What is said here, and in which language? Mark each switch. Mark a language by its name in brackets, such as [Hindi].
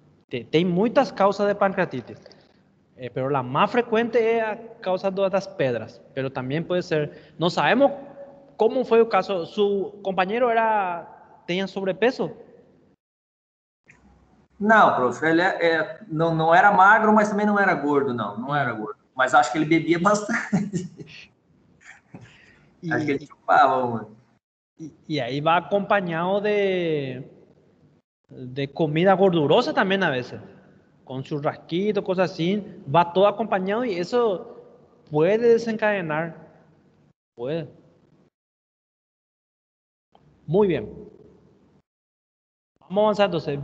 [Spanish] Tiene muchas causas de pancreatitis, pero la más frecuente es a causa de estas piedras, pero también puede ser, no sabemos cómo fue el caso, su compañero tenía sobrepeso. No, profe, no era magro, pero también no era gordo, no era gordo. [Portuguese] Mas acho que ele bebia bastante. Acho que ele chupava, mano. E aí vai acompanhado de comida gordurosa também, às vezes. [Spanish] con churrasquito, cosas así, va todo acompañado y eso puede desencadenar. Puede. Muy bien. Vamos avanzando.